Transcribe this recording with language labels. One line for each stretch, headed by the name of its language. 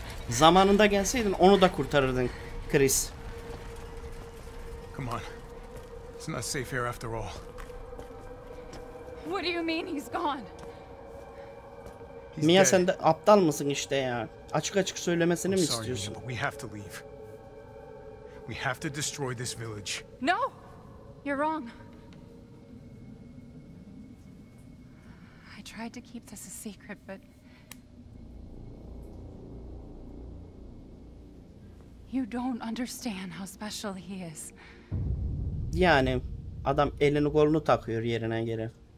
Turkish: Zamanında gelseydin onu da kurtarırdın, Chris.
English: Come on. It's not safe here after all. What do you mean he's gone?
Turkish: Mia, sen de aptal mısın işte ya? Açık açık söylemesini mi istiyorsun?
English: We have to leave. We have to destroy this village. No. You're wrong. I tried to keep this a secret, but you don't understand how special he is.
Turkish: Yani adam elini kolunu takıyor yerine geri.